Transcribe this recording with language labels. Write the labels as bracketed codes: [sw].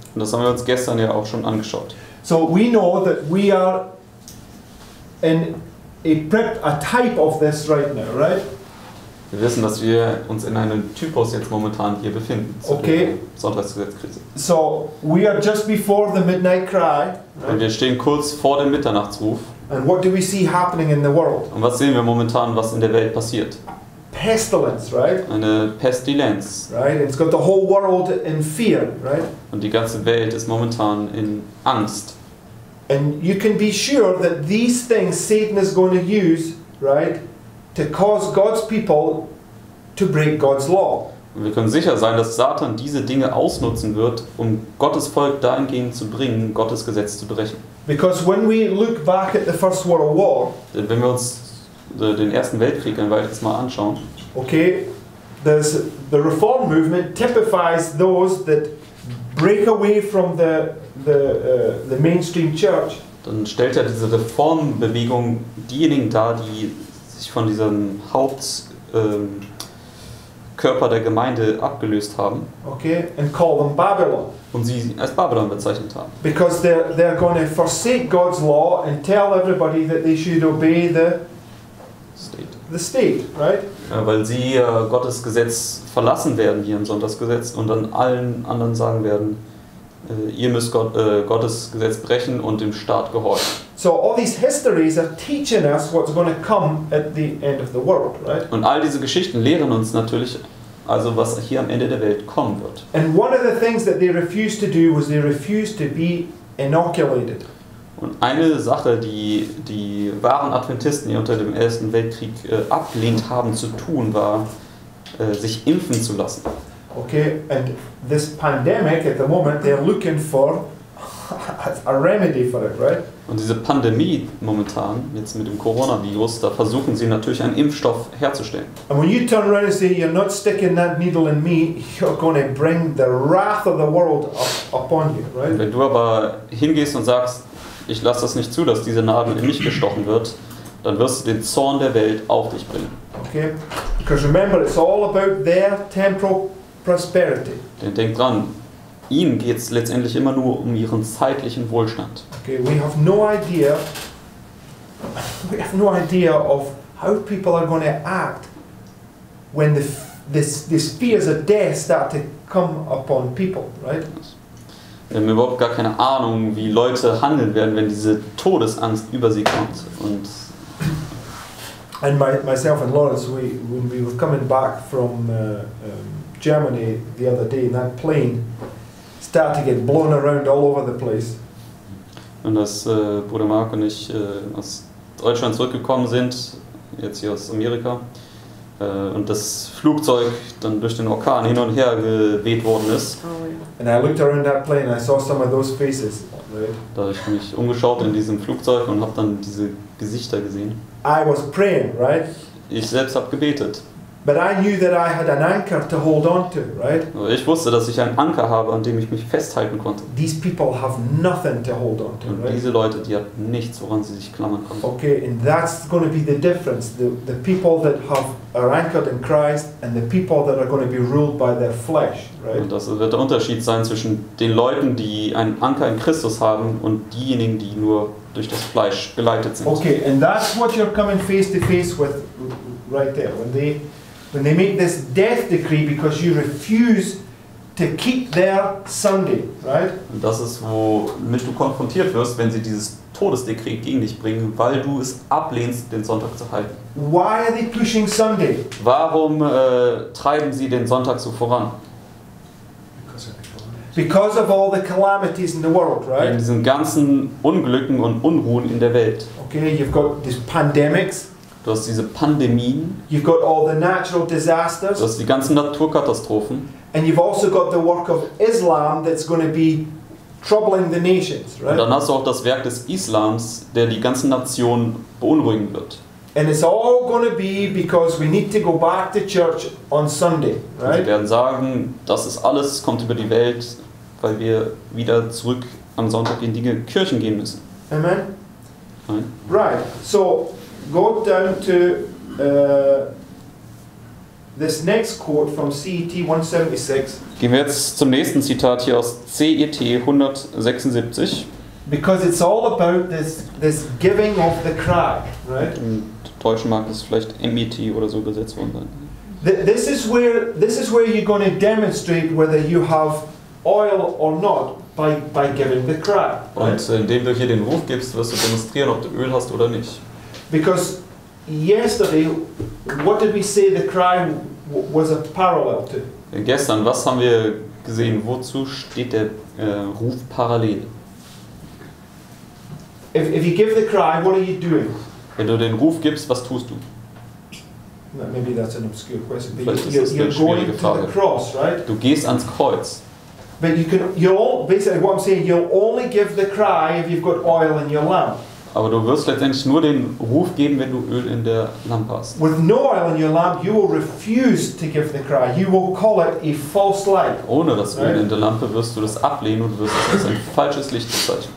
[de] Und das haben wir uns gestern ja auch schon angeschaut. [en] So we know that we are in a type of this right now, right? [de] Wir wissen, dass wir uns in einem Typus jetzt momentan hier befinden. [en] Okay. [de] Sonntagsgesetzkrise. [en] So, we are just before the midnight cry. [de] Right? Und wir stehen kurz vor dem Mitternachtsruf. [en] And what do we see happening in the world? [de] Und was sehen wir momentan, was in der Welt passiert? [en] Pestilence, right? [de] Eine Pestilenz. [en] Right? It's got the whole world in fear, right? [de] Und die ganze Welt ist momentan in Angst. [en] And you can be sure that these things Satan is going to use, right? To cause God's people to break God's law. [de] Und wir können sicher sein, dass Satan diese Dinge ausnutzen wird, um Gottes Volk dahingehend zu bringen, Gottes Gesetz zu brechen. [en] Because when we look back at the First World War, [de] denn wenn wir uns den Ersten Weltkrieg ein weiteres Mal anschauen, [en] okay, the Reform Movement typifies those that break away from the mainstream church. [de] Dann stellt ja diese Reformbewegung diejenigen dar, die sich von diesem Hauptkörper der Gemeinde abgelöst haben. [en] Okay, and call them Babylon. [de] Und sie als Babylon bezeichnet haben. [en] Because they're going to forsake God's law and tell everybody that they should obey the state. The state, right? [de] Ja, weil sie Gottes Gesetz verlassen werden hier im Sonntagsgesetz und dann allen anderen sagen werden, ihr müsst Gottes Gesetz brechen und dem Staat gehorchen. [en] So all these histories are teaching us what's going to come at the end of the world, right? [de] Und all diese Geschichten lehren uns natürlich, also was hier am Ende der Welt kommen wird. [en] And one of the things that they refused to do was they refused to be inoculated. [de] Und eine Sache, die die wahren Adventisten hier unter dem Ersten Weltkrieg abgelehnt haben zu tun, war sich impfen zu lassen. [en] Okay, and this pandemic at the moment, they're looking for a remedy for it, right? [de] Und diese Pandemie momentan, jetzt mit dem Coronavirus, da versuchen sie natürlich einen Impfstoff herzustellen. [en] And when you turn around and say, you're not sticking that needle in me, you're going to bring the wrath of the world upon you, right? [de] Und wenn du aber hingehst und sagst, ich lasse das nicht zu, dass diese Nadel in mich gestochen wird, dann wirst du den Zorn der Welt auf dich bringen. [en] Okay, because remember, it's all about their temporal prosperity. [de] Denn denk dran, ihnen geht es letztendlich immer nur um ihren zeitlichen Wohlstand. [en] Okay, we have no idea of how people are going to act when this fears of death start to come upon people, right? [de] Wir haben überhaupt gar keine Ahnung, wie Leute handeln werden, wenn diese Todesangst über sie kommt. Und [en] myself and Lawrence, when we were coming back from Germany the other day, and that plane started to get blown around all over the place. [de] Und als Bruder Mark und ich aus Deutschland zurückgekommen sind, jetzt hier aus Amerika, und das Flugzeug dann durch den Orkan hin und her geweht worden ist. [en] And I looked around that plane and I saw some of those faces. [de] Da habe ich mich umgeschaut in diesem Flugzeug und habe dann diese Gesichter gesehen. [en] I was praying, right? [de] Ich selbst habe gebetet. [en] But I knew that I had an anchor to hold on to, right? [de] Ich wusste, dass ich einen Anker habe, an dem ich mich festhalten konnte. [en] These people have nothing to hold on to, [de] und [en] right? [de] Diese Leute, die haben nichts, woran sie sich klammern können. [en] Okay, and that's going to be the difference. The people that are anchored in Christ and the people that are going to be ruled by their flesh, right? [de] Und das wird der Unterschied sein zwischen den Leuten, die einen Anker in Christus haben und diejenigen, die nur durch das Fleisch geleitet sind. [en] Okay, and that's what you're coming face to face with right there. When they make this death decree because you refuse to keep their Sunday, right? [de] Und das ist, womit du konfrontiert wirst, wenn sie dieses Todesdekret gegen dich bringen, weil du es ablehnst, den Sonntag zu halten. [en] Why are they pushing Sunday? [de] Warum treiben sie den Sonntag so voran? [en] Because of all the calamities in the world, right? [de] Wegen diesen ganzen Unglücken und Unruhen in der Welt. [en] Okay, you've got these pandemics. [de] Du hast diese Pandemien. [en] You've got all the natural disasters. [de] Du hast die ganzen Naturkatastrophen. [en] And you've also got the work of Islam that's going to be troubling the nations, right? [de] Und dann hast du auch das Werk des Islams, der die ganzen Nationen beunruhigen wird. [en] And it's all going to be because we need to go back to church on Sunday, right? [de] Sie werden sagen, das ist alles, kommt über die Welt, weil wir wieder zurück am Sonntag in die Kirchen gehen müssen. Amen. Nein. [en] Right. So go down to this next quote from CET 176. [de] Gehen wir jetzt zum nächsten Zitat hier aus CET 176. [en] Because it's all about this giving of the cry, right? [de] Im Deutschen mag es vielleicht MET oder so übersetzt worden sein. [en] This is where you're going to demonstrate whether you have oil or not by giving the cry. [de] Und indem du hier den Ruf gibst, wirst du demonstrieren, ob du Öl hast oder nicht. [en] Because yesterday, what did we say the cry was a parallel to? [de] Gestern, was haben wir gesehen? Wozu steht der Ruf parallel? [en] If you give the cry, what are you doing? [de] Wenn du den Ruf gibst, was tust du? [en] Maybe that's an obscure question. But [de] vielleicht [en] you're going to the cross, right? [de] Du gehst ans Kreuz. [en] But you can, basically what I'm saying, you'll only give the cry if you've got oil in your lamp. [de] Aber du wirst letztendlich nur den Ruf geben, wenn du Öl in der Lampe hast. [en] With no oil in your lamp, you will refuse to give the cry. You will call it a false light. [de] Ohne das Öl in der Lampe wirst du das ablehnen und wirst es als ein falsches Licht bezeichnen.